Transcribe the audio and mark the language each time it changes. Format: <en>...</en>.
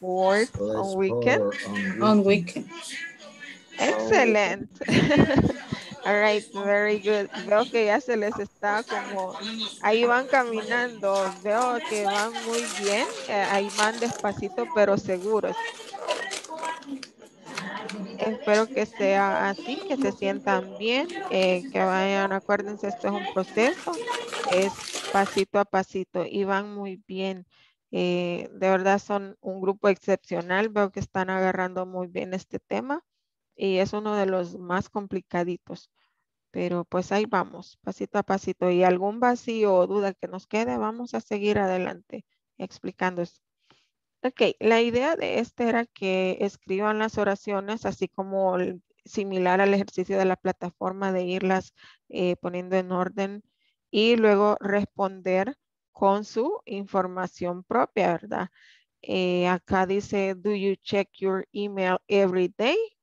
<en>Do you and your friends play sports on weekend? Excellent. All right, very good.</en> <es>Veo que ya se les está como ahí van caminando. Veo que van muy bien. Ahí van despacito, pero seguros. Espero que sea así, que se sientan bien, que vayan, acuérdense, esto es un proceso, es pasito a pasito y van muy bien. De verdad son un grupo excepcional, veo que están agarrando muy bien este tema y es uno de los más complicaditos. Pero pues ahí vamos, pasito a pasito, y algún vacío o duda que nos quede, vamos a seguir adelante explicando esto. Ok, la idea de este era que escriban las oraciones así como similar al ejercicio de la plataforma de irlas poniendo en orden y luego responder con su información propia, ¿verdad? Acá dice,</es> <en>do you check your email every day?</en>